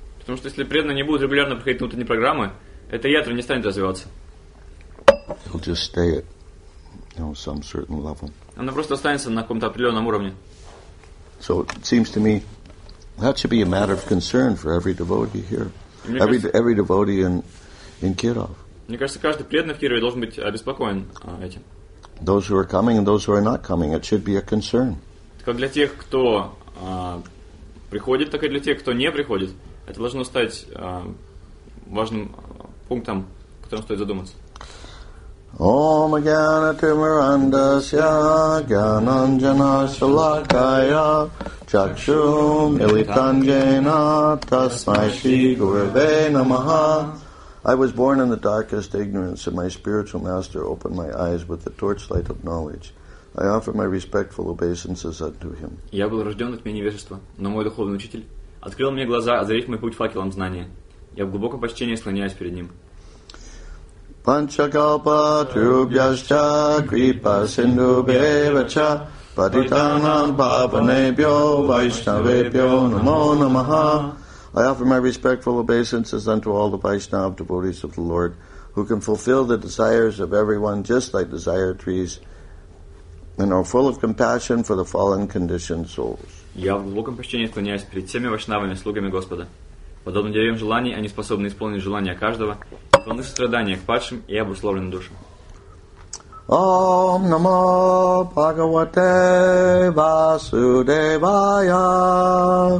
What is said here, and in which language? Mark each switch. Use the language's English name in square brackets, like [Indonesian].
[Russian] Потому что если преданные не будут регулярно приходить на утренние программы, эта ятра не станет развиваться. [English] It'll just stay at, you know, some certain level. [Russian] Она просто останется на каком-то определенном уровне. [English] So it seems to me that should be a matter of concern for every devotee here. Every devotee in Kirov. [Russian] Мне кажется, каждый преданный в Кирове должен быть обеспокоен этим. [English] Those who are coming and those who are not coming, it should be a concern. [Russian] Как для тех, кто приходит, так и для тех, кто не приходит, это должно стать важным пунктом, о котором стоит задуматься. [Sanskrit] Om Jnana Timurandasya Jnananjana Shalakaya Chakshum Ilitanjena Tasmai Shri Gurave Namaha. [English] I was born in the darkest ignorance, and my spiritual master opened my eyes with the torchlight of knowledge. I offer my respectful obeisances unto him. [Russian] Я был рожден от меня невежества, но мой духовный учитель открыл мне глаза, озарив мой путь факелом знания. Я в глубоком почтении склоняюсь перед ним. [Sanskrit] Panchakalpa trubhyascha kripa sindhu bevacha patitanam bhavanebhyo vaishnavebhyo namo namaha. [English] I offer my respectful obeisances unto all the Vaishnav devotees of the Lord who can fulfill the desires of everyone just like desire trees and are full of compassion for the fallen conditioned souls. [Russian] Я в глубоком почтении склоняюсь перед всеми вайшнавами, слугами Господа. Подобно деревьям желаний, они способны исполнить желания каждого, полны страдания к падшим и обусловленным душам. [Sanskrit] Ом намо Бхагавате Васудевая.